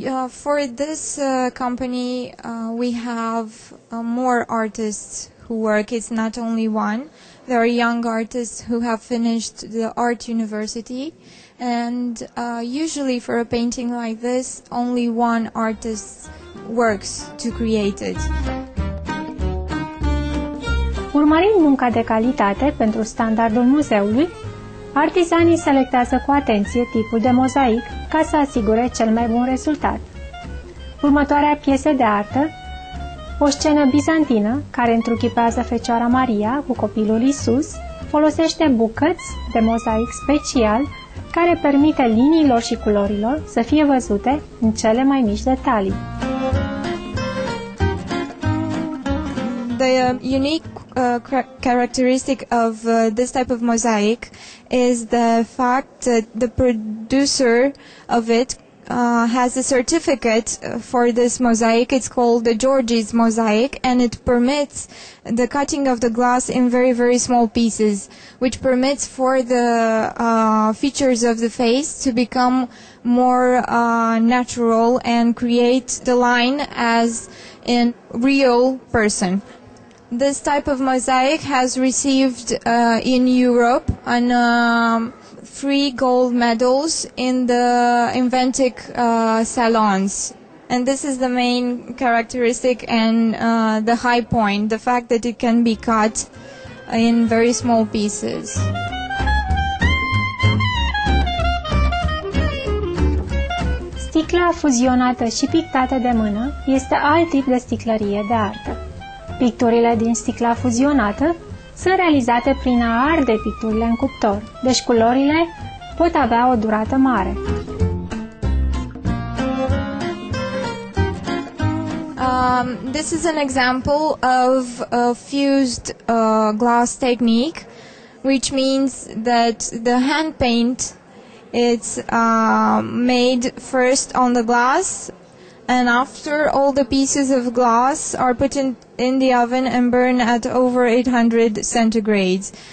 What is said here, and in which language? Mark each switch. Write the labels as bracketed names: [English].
[English] For this company, we have more artists who work. It's not only one. There are young artists who have finished the art university. And usually for a painting like this, only one artist works to create it. [Romanian] Urmărind munca de calitate pentru standardul muzeului, artizanii selectează cu atenție tipul de mozaic ca să asigure cel mai bun rezultat. Următoarea piesă de artă, o scenă bizantină care întruchipează Fecioara Maria cu copilul Iisus, folosește bucăți de mozaic special care permite liniilor și culorilor să fie văzute în cele mai mici detalii. [English] The unique characteristic of this type of mosaic is the fact that the producer of it has a certificate for this mosaic. It's called the George's mosaic, and it permits the cutting of the glass in very, very small pieces, which permits for the features of the face to become more natural and create the line as in real person. This type of mosaic has received in Europe an three gold medals in the Inventic salons. And this is the main characteristic and the high point, the fact that it can be cut in very small pieces. [Romanian] Sticla fuzionată și pictată de mână este alt tip de sticlărie de artă. Picturile din sticla fuzionată sunt realizate prin a arde picturile în cuptor, deci culorile pot avea o durată mare. [English] This is an example of a fused glass technique, which means that the hand paint is made first on the glass, and after all the pieces of glass are put in the oven and burn at over 800 centigrades.